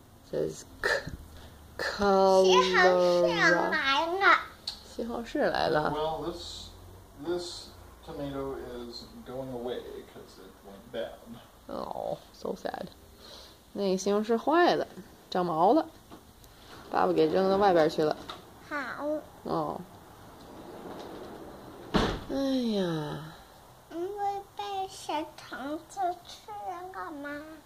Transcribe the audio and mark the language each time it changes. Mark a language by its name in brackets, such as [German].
[Chinese] 这是 Colorado。西红柿来了。西红柿来了。 [English] Well, this tomato is going away because it went bad. Oh, so sad. [Chinese] 那个西红柿坏了，长毛了，爸爸给扔到外边去了。好。哦。哎呀。因为被小虫子吃了吗？